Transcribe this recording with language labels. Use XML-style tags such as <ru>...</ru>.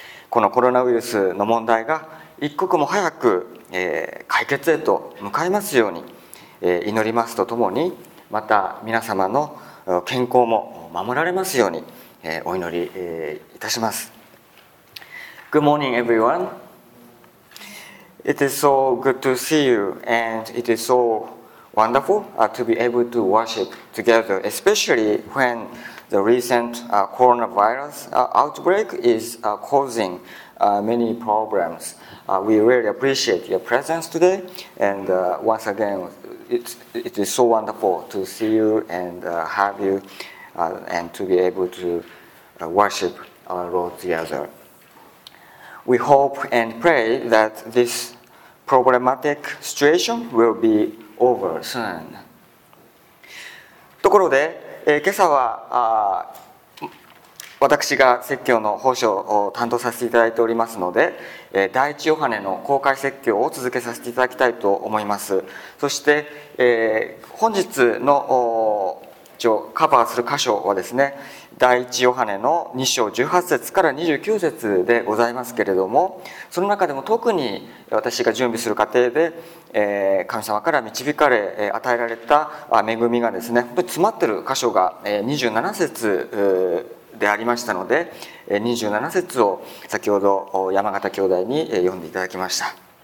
<ja>このコロナウイルスの問題が一刻も早く解決へと向かいますように祈りますとともに、また皆様の健康も守られますようにお祈りいたします。</ja> <en>Good morning, everyone. It is so good to see you, and it is so wonderful to be able to worship together, especially when the recent coronavirus outbreak is causing many problems. We really appreciate your presence today, and once again, it is so wonderful to see you and have you and to be able to worship our Lord together. We hope and pray that this problematic situation will be over soon.</en> <ja>ところで、今朝は私が説教の奉仕を担当させていただいておりますので、第一ヨハネの公開説教を続けさせていただきたいと思います。そして、本日のカバーする箇所はですね、第一ヨハネの2章18節から29節でございますけれども、その中でも特に私が準備する過程で神様から導かれ与えられた恵みがですね、詰まっている箇所が27節でありましたので、27節を先ほど山形兄弟に読んでいただきました。</ja>